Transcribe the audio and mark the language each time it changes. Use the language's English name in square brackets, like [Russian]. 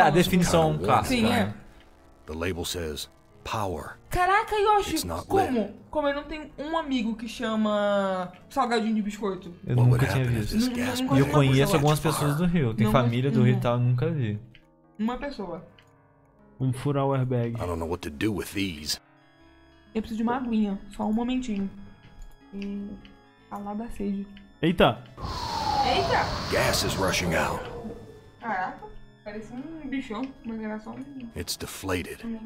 [Portuguese] a definição clássica. Sim, é. O label diz power. Caraca, Yoshi, como? Como eu não tenho um amigo que chama salgadinho de biscoito? Eu nunca tinha visto. E eu conheço algumas pessoas do Rio. Tem família do Rio e tal, eu nunca vi. Uma pessoa. Vamos furar o airbag. [English] I don't know what to do with these. [Portuguese] Eu preciso de uma aguinha, só um momentinho. Falar da sede. Eita! [English] Eita! Gas is rushing out. [Portuguese] Caraca, parece um bichão, mas era só um. [English] It's deflated.